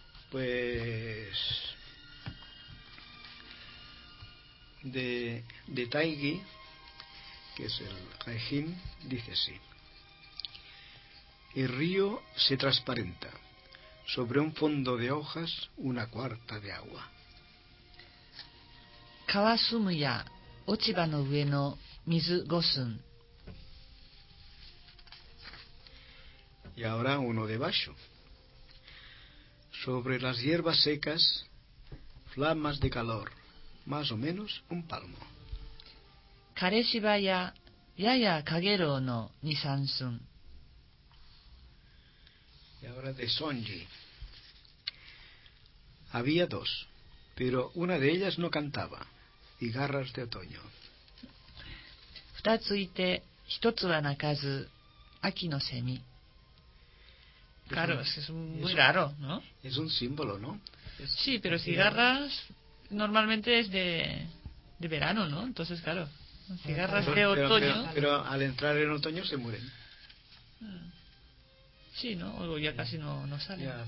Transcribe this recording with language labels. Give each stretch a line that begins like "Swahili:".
Spanish: Pues de Taigi, que es el Haijin, dice así. El río se transparenta sobre un fondo de hojas, una cuarta de agua.
Japanese: Kawasumuya, 落ち葉の上の水五寸。
Spanish: Y ahora uno debajo. Sobre las hierbas secas, flamas de calor, más o menos un palmo.
Japanese: 枯れ芝や、やや陽炎の二三寸。
Spanish: Y ahora de Sonji. Había dos, pero una de ellas no cantaba. Cigarras de otoño.
Japanese: 二ついて一つは鳴かず秋のセミ。
Spanish: Claro, es muy raro, ¿no? Es un símbolo, ¿no? Sí, pero cigarras normalmente es de verano, ¿no? Entonces, claro, cigarras de otoño. Pero al entrar en otoño se mueren. Sí, ¿no? O ya casi no salen.